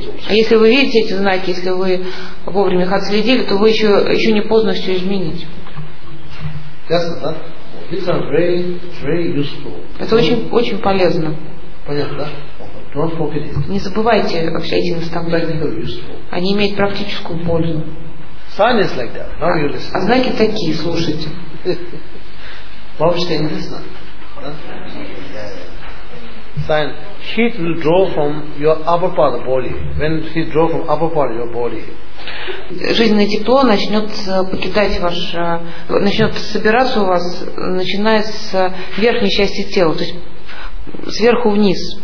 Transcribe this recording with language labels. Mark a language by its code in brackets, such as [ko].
[ru] Если вы видите эти знаки, если вы вовремя их отследили, то вы еще не поздно все изменить. Ясно, да? [en] These are very, very useful. [ru] Это очень, очень полезно. Понятно, да? [en] Don't forget it. [ru] Не забывайте все эти наставления. Они имеют практическую пользу. [en] Sign is like that. Now you listen. [ru] А знаки такие, слушайте. Бабушка, интересно. [en] Sign. Heat will draw from your upper part of body. When heat draw from upper part of your body. [ru] Жизненное тепло начнет покидать ваше, начнет собираться у вас, начиная с верхней части тела, то есть сверху вниз.